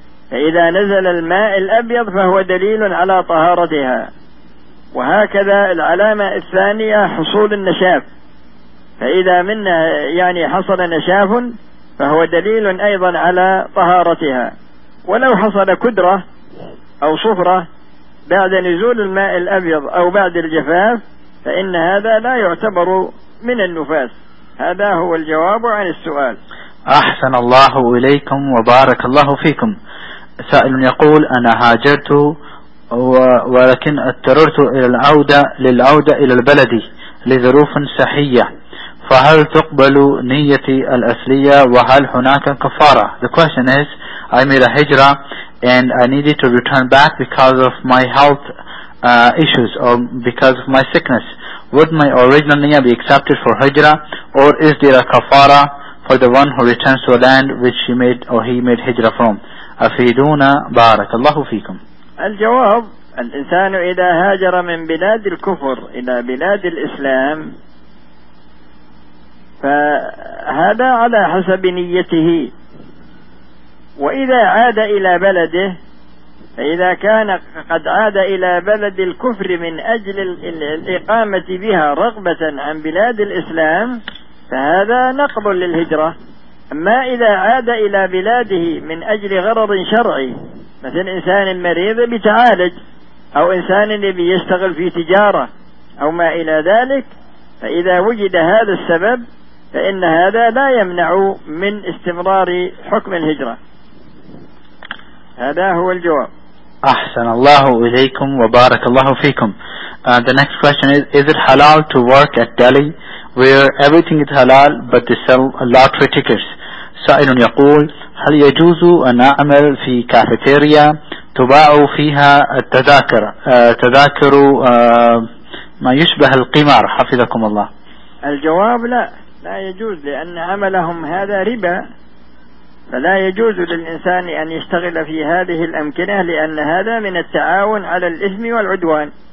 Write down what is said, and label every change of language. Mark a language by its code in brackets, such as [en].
[ar] فإذا نزل الماء الأبيض فهو دليل على طهارتها، وهكذا العلامة الثانية حصول النشاف، فإذا منها يعني حصل نشاف فهو دليل أيضا على طهارتها، ولو حصل كدرة أو صفرة بعد نزول الماء الأبيض أو بعد الجفاف فإن هذا لا يعتبر من النفاس. هذا هو الجواب عن السؤال. أحسن الله إليكم وبارك الله فيكم. سائل يقول: أنا هاجرت ولكن اضطررت للعودة إلى البلد لظروف صحية، فهل تقبل نيتي الأصلية وهل هناك كفارة؟ [en] The question is: I made a hijra and I needed to return back because of my health issues or because of my sickness. Would my original niyyah be accepted for hijra, or is there a kafara for the one who returns to a land which he made or he made hijra from? [ar] أفيدونا بارك الله فيكم. الجواب: الإنسان إذا هاجر من بلاد الكفر إلى بلاد الإسلام فهذا على حسب نيته، وإذا عاد إلى بلده فإذا كان قد عاد إلى بلد الكفر من أجل الإقامة بها رغبة عن بلاد الإسلام فهذا نقبل للهجرة. أما إذا عاد إلى بلاده من أجل غرض شرعي مثل إنسان مريض بتعالج أو إنسان يبي يشتغل في تجارة أو ما إلى ذلك، فإذا وجد هذا السبب فإن هذا لا يمنع من استمرار حكم الهجرة. هذا هو الجواب. أحسن الله إليكم وبارك الله فيكم. [en] The next question is it halal to work at Delhi where everything is halal but they sell lottery tickets؟ [ar] سائل يقول هل يجوز أن أعمل في كافيتيريا تباع فيها التذاكر تذاكر ما يشبه القمار حفظكم الله؟ الجواب لا، لا يجوز، لأن عملهم هذا ربا، فلا يجوز للإنسان أن يشتغل في هذه الأمكنة لأن هذا من التعاون على الإثم والعدوان.